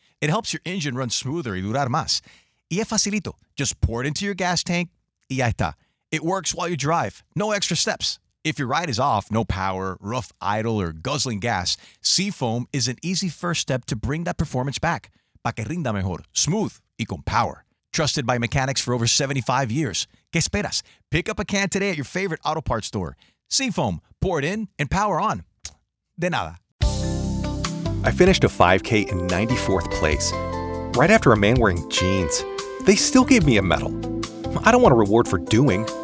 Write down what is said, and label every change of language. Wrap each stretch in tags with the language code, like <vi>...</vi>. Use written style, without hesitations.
<en>It helps your engine run smoother</en> <es>y durar más. Y es facilito.</es> <en>Just pour it into your gas tank</en> <es>y ya está.</es> <en>It works while you drive. No extra steps. If your ride is off, no power, rough idle, or guzzling gas, Seafoam is an easy first step to bring that performance back.</en> <es>Pa' que rinda mejor, smooth, y con power.</es> <en>Trusted by mechanics for over 75 years.</en> <es>¿Qué esperas?</es> <en>Pick up a can today at your favorite auto parts store. Seafoam, pour it in and power on.</en> <es>De nada.</es> <en>I finished a 5K in 94th place, right after a man wearing jeans. They still gave me a medal. I don't want a reward for doing.</en>